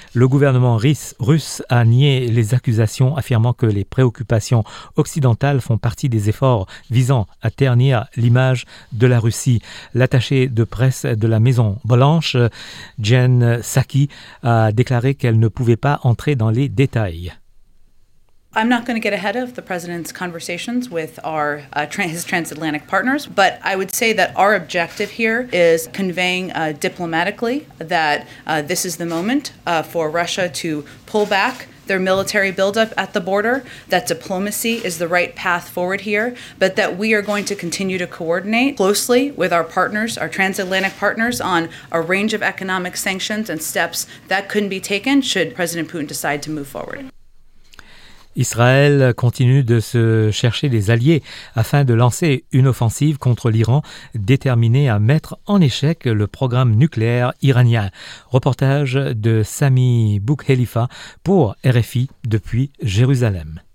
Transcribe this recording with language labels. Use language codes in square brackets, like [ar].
[fr] Le gouvernement russe a nié les accusations, affirmant que les préoccupations occidentales font partie des efforts visant à ternir l'image de la Russie. L'attaché de presse de la Maison Blanche, Jen Psaki, a déclaré qu'elle ne pouvait pas entrer dans les détails. [en] I'm not going to get ahead of the president's conversations with his transatlantic partners, but I would say that our objective here is conveying diplomatically that this is the moment for Russia to pull back their military buildup at the border, that diplomacy is the right path forward here, but that we are going to continue to coordinate closely with our partners, our transatlantic partners, on a range of economic sanctions and steps that couldn't be taken should President Putin decide to move forward. [fr] Israël continue de se chercher des alliés afin de lancer une offensive contre l'Iran, déterminé à mettre en échec le programme nucléaire iranien. Reportage de Sami Boukhelifa pour RFI depuis Jérusalem.